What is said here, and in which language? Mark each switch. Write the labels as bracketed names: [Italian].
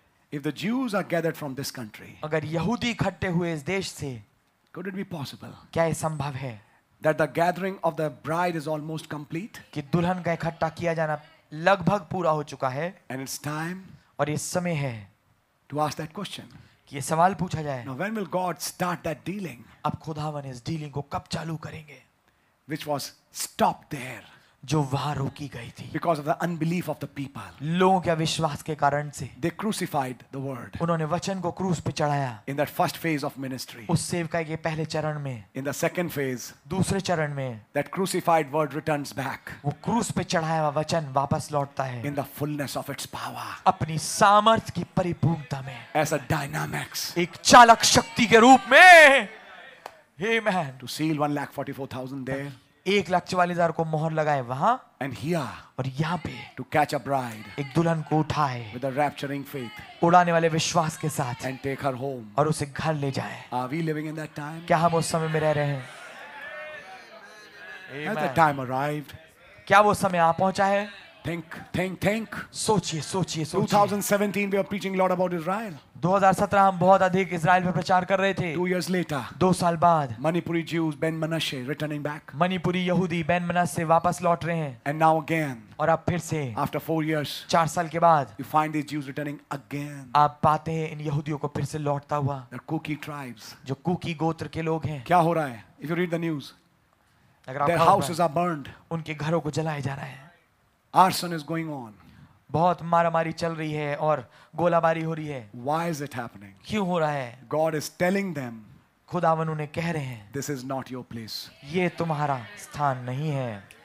[English] if the Jews are gathered from this country, [Hindi] अगर यहूदी इकट्ठे हुए इस देश से, [English] could it be possible, [Hindi] क्या ये संभव है, [English] that the gathering of the bride is almost complete, [Hindi] कि दुल्हन का इकट्ठा किया जाना लगभग पूरा हो चुका है, [English] and it's time, [Hindi] और ये समय है, [English] to ask that question. [Hindi] ये सवाल पूछा जाए. [English] Now, when will God start that dealing? [Hindi] अब खुदावन इस डीलिंग को कब चालू करेंगे? [English] Which was stopped there. [Hindi] जो वहां रोकी गई थी. [English] Because of the unbelief of the people. [Hindi] लोगों के अविश्वास के कारण से. [English] They crucified the word. [Hindi] उन्होंने वचन को क्रूस पे चढ़ाया. [English] In that first phase of ministry. [Hindi] उस सेवकाई के पहले चरण में. [English] In the second phase. [Hindi] दूसरे चरण में. [English] That crucified word returns back. [Hindi] वो क्रूस पे चढ़ाया हुआ वचन वापस लौटता है. [English] In the fullness of its power. [Hindi] अपनी सामर्थ्य की परिपूर्णता में. [English] As a dynamics. [Hindi] एक चालक शक्ति के रूप में. Amen. [English] To seal 144,000 there. [Hindi] 144,000 को मोहर लगाए वहां. [English] And here, [Hindi] और यहां पे. [English] To catch a bride, [Hindi] एक दुल्हन को उठाए. [English] With a rapturing faith, [Hindi] उड़ाने वाले विश्वास के साथ. [English] And take her home, [Hindi] और उसे घर ले जाए. [English] Are we living in that time? [Hindi] क्या हम उस समय में रह रहे हैं? [English] Amen. Has the time arrived? [Hindi] क्या वो समय आ पहुंचा है? [English] Think, think, think. [Hindi] सोचिए, सोचिए, सोचिए. [English] 2017, we are preaching a lot about Israel. [Hindi] 2017 हम बहुत अधिक इज़राइल पर प्रचार कर रहे थे. [English] 2 years later. [Hindi] दो साल बाद. [English] Manipuri Jews, Ben Manasseh, returning back. [Hindi] Manipuri यहूदी, Ben Manasseh वापस लौट रहे हैं. [English] And now again. [Hindi] और अब फिर से. [English] After 4 years. [Hindi] चार साल के बाद. [English] You find these Jews returning again. [Hindi] आप पाते हैं इन यहूदियों को फिर से लौटता हुआ. [English] The Kuki tribes. [Hindi] जो कुकी गोत्र के लोग हैं. क्या हो रहा है? [English] If you read the news. Their houses are burned. [Hindi] उनके घरों को जलाया जा रहा है. [English] Arson is going on. [Hindi] बहुत मारामारी चल रही है और गोलाबारी हो रही है. [English] Why is it happening? [Hindi] क्यों हो रहा है? [English] God is telling them. [Hindi] खुदावन उन्हें कह रहे हैं. [English] This is not your place. [Hindi] ये तुम्हारा स्थान नहीं है.